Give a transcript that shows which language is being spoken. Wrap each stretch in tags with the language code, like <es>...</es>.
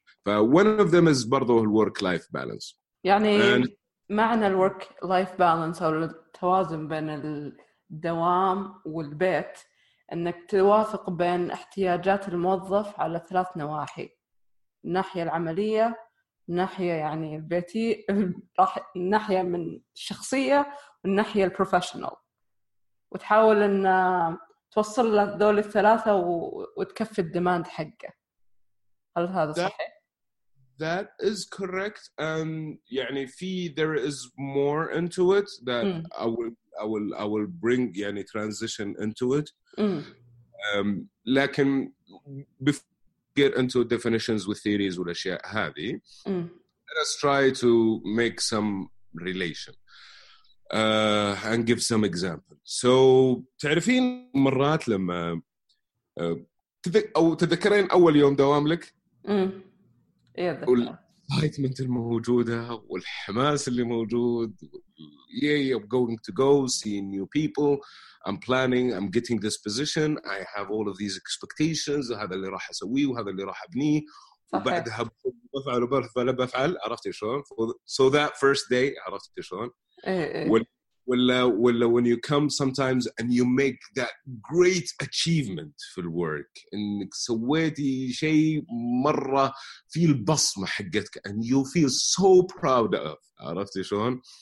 <en>One of them is برضو work-life balance.</en> <ar>يعني معنى work-life balance أو التوازن بين الدوام والبيت أنك توافق بين احتياجات الموظف على ثلاث نواحي: الناحية العملية، ناحية يعني البيتي، راح ناحية من الشخصية، والناحية البروفيشنال، وتحاول ان توصل لهذول الثلاثة وتكفي الديماند حقه. هل هذا صحيح؟</ar> <en>That is correct. And</en> <ar>يعني في</ar> <en>there is more into it that I will bring يعني transition into it.</en> <ar>لكن</ar> <en>before get into definitions with theories</en> <ar>والأشياء هذه.</ar> <en>Let us try to make some relation and give some example.</en> <ar>So تعرفين مرات لما تذكرين أول يوم دوام لك؟ والإكسايتمنت الموجودة والحماس اللي موجود.</ar> <en>Yeah, I'm going to go see new people. I'm planning. I'm getting this position. I have all of these expectations.</en> <ar>هذا اللي راح أسويه وهذا اللي راح أبنيه. وبعدها بفعل وبفعل بفعل. عرفتي شلون؟</ar> <en>So that first day, عرفتي شلون؟</en> <ar>ولا</ar> <en>when you come sometimes and you make that great achievement في الwork</en> <ar>إنك سويتي شيء مرة في البصمة حقتك</ar> <en>and you feel so proud of, عرفتي شلون؟</en>